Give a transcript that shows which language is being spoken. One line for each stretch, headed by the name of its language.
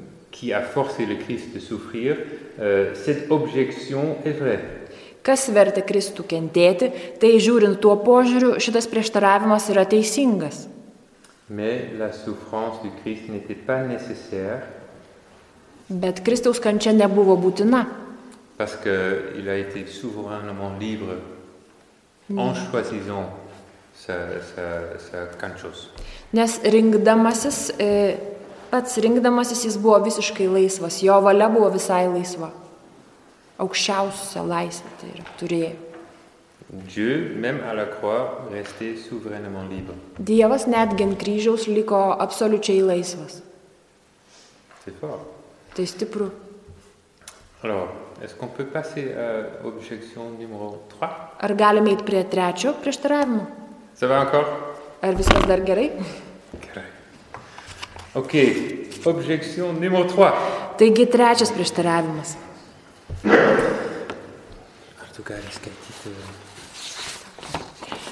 French: qui a forcé le Christ de souffrir, cette objection est vraie.
Lithuanian: Kas vertė Kristų kentėti, tai žiūrint tuo požiūriu, šitas prieštaravimas yra teisingas.
French: Mais la souffrance du Christ n'était pas nécessaire.
Lithuanian: Bet Kristaus kančia nebuvo būtina.
French: Parce que il a été souverainement libre en choisissant sa kančios.
Lithuanian: Nes rinkdamasis pats rinkdamasis jis buvo visiškai laisvas, jo valia buvo visai laisva. Aukščiausia laisvė tai yra turėjo.
French: Dieu même à la croix restait souverainement libre.
Lithuanian: Dievas netgi ant kryžiaus liko absoliučiai laisvas.
French: C'est fort.
Lithuanian: Tai stipru.
French: Alors, est-ce qu'on peut passer à objection numéro 3?
Lithuanian: Ar galime eiti prie trečio prieštaravimo?
French: Ça va encore?
Lithuanian: Ar viskas dar gerai?
French: Ok, objection numéro 3.
Lithuanian: Taigi, trečias prieštaravimas. Ar tu gali skaityti?